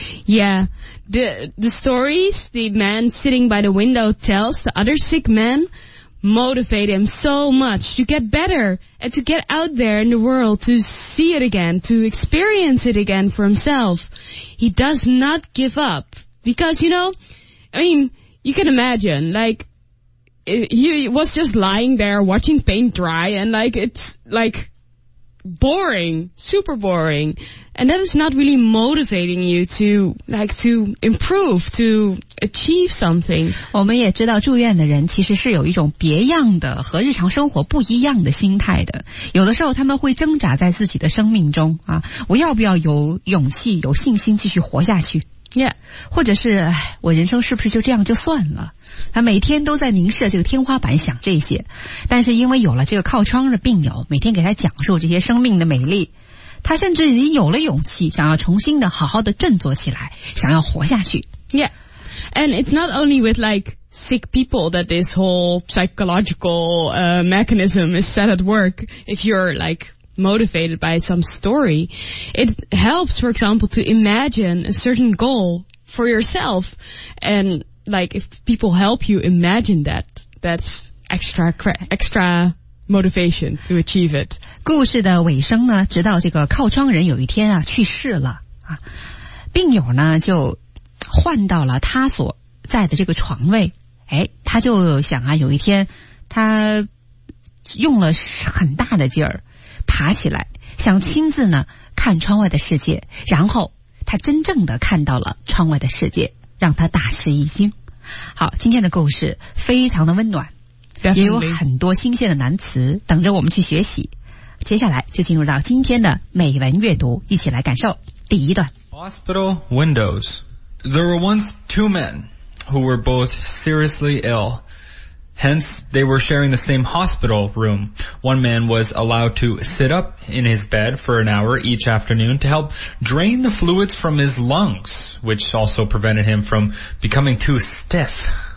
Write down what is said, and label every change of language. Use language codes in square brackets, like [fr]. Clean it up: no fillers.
[en] Yeah, the stories the man sitting by the window tells the other sick man motivate him so much to get better and to get out there in the world to see it again, to experience it again for himself. He does not give up because, you know, I mean, you can imagine, like, he was just lying there watching paint dry and like, it's like... boring, super boring, and that is not really motivating you to like to improve, to achieve something. [zh] 我们也知道住院的人其实是有一种别样的和日常生活不一样的心态的，有的时候他们会挣扎在自己的生命中啊，我要不要有勇气有信心继续活下去。 [en] Yeah. [zh] 或者是我人生是不是就这样就算了，他每天都在凝视这个天花板想这些，但是因为有了这个靠窗的病友每天给他讲述这些生命的美丽，他甚至已经有了勇气想要重新的好好的振作起来，想要活下去。 [en] Yeah, and it's not only with like sick people that this whole psychological mechanism is set at work. If you're likemotivated by some story, it helps, for example, to imagine a certain goal for yourself. And like, if people help you imagine that, that's extra motivation to achieve it. [zh] 故事的尾声呢，直到这个靠窗人有一天啊去世了啊，病友呢就换到了他所在的这个床位。哎，他就想啊，有一天他用了很大的劲儿爬起来，想亲自呢看窗外的世界，然后他真正的看到了窗外的世界，让他大吃一惊。好，今天的故事非常的温暖、 [en] Definitely. [zh] 也有很多新鲜的难词等着我们去学习，接下来就进入到今天的美文阅读，一起来感受第一段。 [en] Hospital windows. There were once two men who were both seriously ill. Hence, they were sharing the same hospital room. One man was allowed to sit up in his bed for an hour each afternoon to help drain the fluids from his lungs, which also prevented him from becoming too stiff.